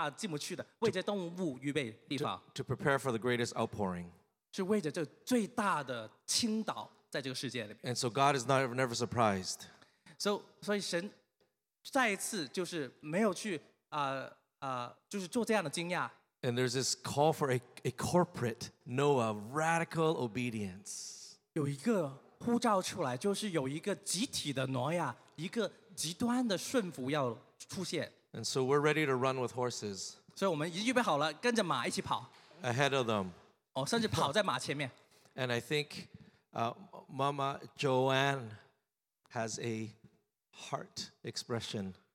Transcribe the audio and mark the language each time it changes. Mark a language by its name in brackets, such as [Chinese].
[Chinese] 甚至是为了那些疯狂的动物们，好像很大进不去的，为这动物预备地方。 [English] To prepare for the greatest outpouring. [Chinese] 是为着这最大的倾倒在这个世界里面。 [English] And so God is never surprised. [Chinese] 所以神再一次就是没有去就是做这样的惊讶。 [English] And there's this call for a corporate Noah, radical obedience. [Chinese] 有一个呼召出来，就是有一个集体的挪亚，一个极端的顺服要出现。 [English] And so we're ready to run with horses. [Chinese] 所以我们已经预备好了，跟着马一起跑。 [English] Ahead of them. [Chinese] 哦，甚至跑在马前面。 [English] And I think Mama Joanne has a heart expression.